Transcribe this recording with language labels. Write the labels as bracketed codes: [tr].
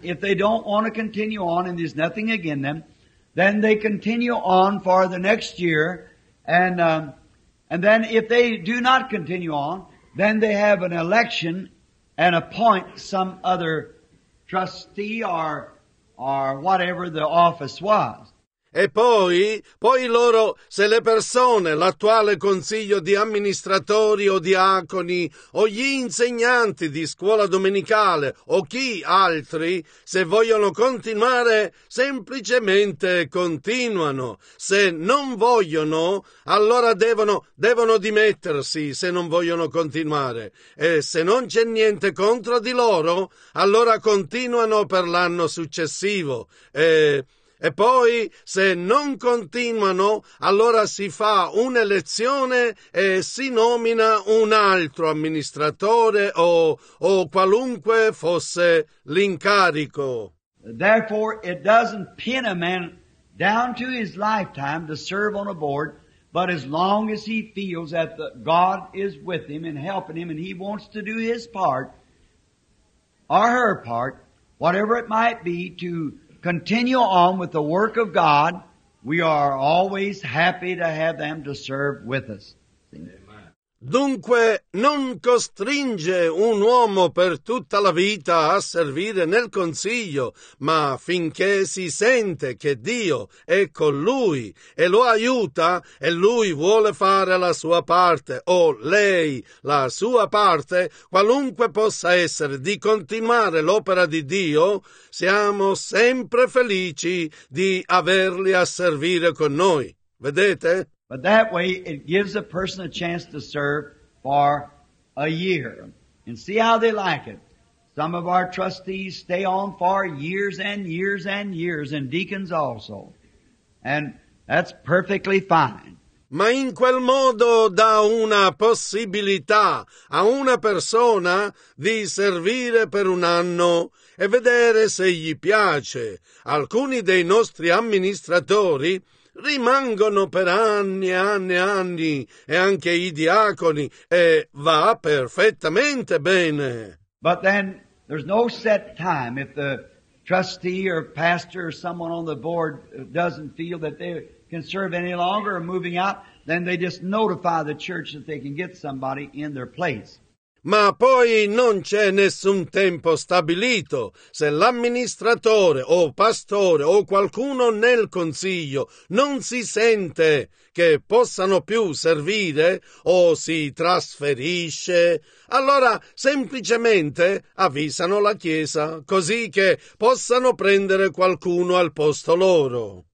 [en] If they don't want to continue on and there's nothing against them, then they continue on for the next year. And then if they do not continue on, then they have an election and appoint some other trustee or whatever the office was. [it] E poi loro, se le persone, l'attuale consiglio di amministratori o diaconi o gli insegnanti di scuola domenicale o chi altri, se vogliono continuare, semplicemente continuano. Se non vogliono, allora devono dimettersi se non vogliono continuare. E se non c'è niente contro di loro, allora continuano per l'anno successivo. E poi, se non continuano, allora si fa un'elezione e si nomina un altro amministratore o qualunque fosse l'incarico. [en] Therefore, it doesn't pin a man down to his lifetime to serve on a board, but as long as he feels that God is with him and helping him and he wants to do his part, or her part, whatever it might be, to continue on with the work of God, we are always happy to have them to serve with us. [it] Dunque, non costringe un uomo per tutta la vita a servire nel consiglio, ma finché si sente che Dio è con lui e lo aiuta e lui vuole fare la sua parte, o lei la sua parte, qualunque possa essere, di continuare l'opera di Dio, siamo sempre felici di averli a servire con noi. Vedete? [en] But that way it gives a person a chance to serve for a year and see how they like it. Some of our trustees stay on for years and years and years, and deacons also. And that's perfectly fine. [it] Ma in quel modo dà una possibilità a una persona di servire per un anno e vedere se gli piace. Alcuni dei nostri amministratori rimangono per anni e anni e anni, e anche i diaconi, e va perfettamente bene. [en] But then there's no set time. If the trustee or pastor or someone on the board doesn't feel that they can serve any longer or moving out, then they just notify the church that they can get somebody in their place. [it] Ma poi non c'è nessun tempo stabilito. Se l'amministratore o pastore o qualcuno nel consiglio non si sente che possano più servire o si trasferisce, allora semplicemente avvisano la Chiesa così che possano prendere qualcuno al posto loro.